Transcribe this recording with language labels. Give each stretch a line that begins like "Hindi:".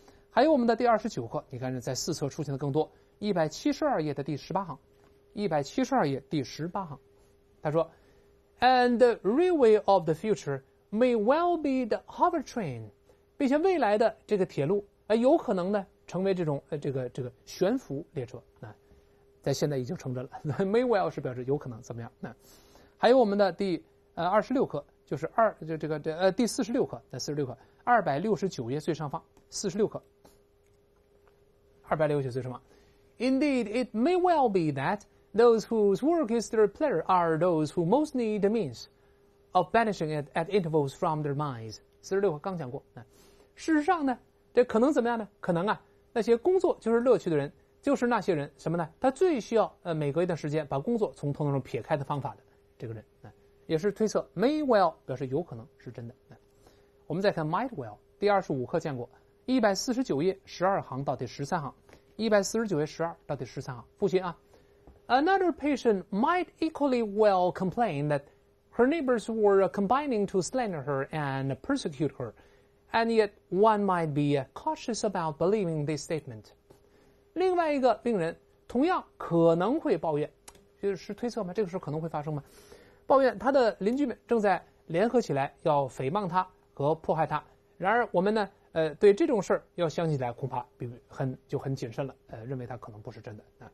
Chinese: 还有我们的第29课，你看在四册出现的更多，172页的第18行，172页第18行，他说
English: And the railway of the future may well be the hover train，
Chinese: 并且未来的这个铁路，有可能呢成为这种这个悬浮列车，在现在已经成真了。 May well 是表示有可能怎么样？还有我们的第26课，就是第46课，在46课269页最上方，46课269页最上方。
English: Indeed, it may well be that. Those whose work is their pleasure are those who most need the means of banishing it at intervals from their minds.
Chinese: 46课刚讲过，事实上呢，这可能怎么样呢？可能啊，那些工作就是乐趣的人，就是那些人什么呢？他最需要每隔一段时间把工作从头脑中撇开的方法的这个人，也是推测。 May well 表示有可能是真的。我们再看 might well， 第25课见过，149页12行到第13行，149页12到第13行，复习啊。
English: Another patient might equally well complain that her neighbors were combining to slander her and persecute her, and yet one might be cautious about believing this statement.
Chinese: 另外一个病人同样可能会抱怨，就是推测吗？这个事可能会发生吗？抱怨他的邻居们正在联合起来要诽谤他和迫害他。然而我们呢，对这种事要想起来恐怕很谨慎了，认为他可能不是真的。